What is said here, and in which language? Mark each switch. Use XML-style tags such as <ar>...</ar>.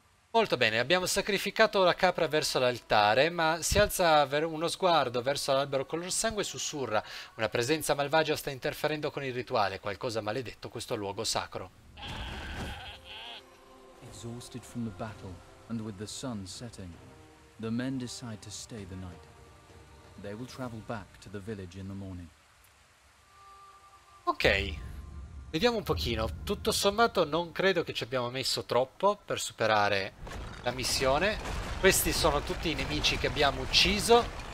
<it>Molto bene. Abbiamo sacrificato la capra verso l'altare, ma si alza uno sguardo verso l'albero color sangue e sussurra. Una presenza malvagia sta interferendo con il rituale. Qualcosa maledetto questo luogo sacro.</it> <en>Esausted from the battle and with the sun setting, the men decide to stay the night. They will travel back to the village in the morning.</en> <it>Ok, vediamo un pochino. Tutto sommato non credo che ci abbiamo messo troppo per superare la missione. Questi sono tutti i nemici che abbiamo ucciso.</it>